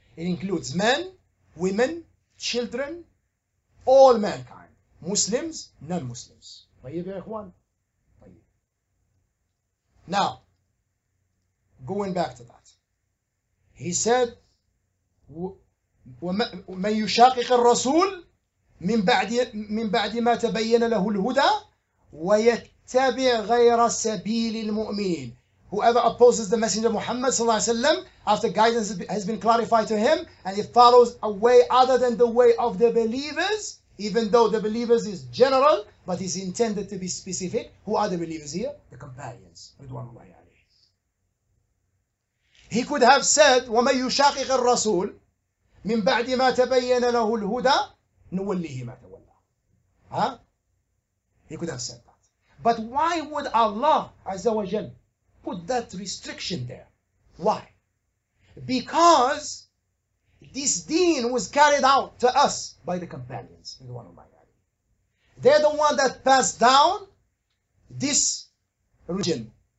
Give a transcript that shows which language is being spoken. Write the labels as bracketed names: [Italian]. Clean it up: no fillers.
[English] It includes men, women, children, all mankind. Muslims, non-Muslims. Tayyib ya ikhwan. Tayyib. Now, going back to that, he said, [Arabic] "من يشاقق الرسول من بعد ما تبين له الهدى ويتبع غير سبيل المؤمنين." [English] Whoever opposes the Messenger Muhammad sallallahu alaihi wasallam after guidance has been clarified to him, and he follows a way other than the way of the believers, even though the believers is general, but is intended to be specific. Who are the believers here? The companions. Ridwanullahi alayhi. He could have said, [Arabic] وَمَنْ يُشَاقِقِ الرَّسُولِ مِنْ بَعْدِ مَا تَبَيَّنَ لَهُ الْهُدَى نُوَلِّهِ مَا تَوَلَّى. [English] Huh? He could have said that. But why would Allah Azza wa Jal put that restriction there? Why? Because this deen was carried out to us by the companions. They're the one that passed down this religion.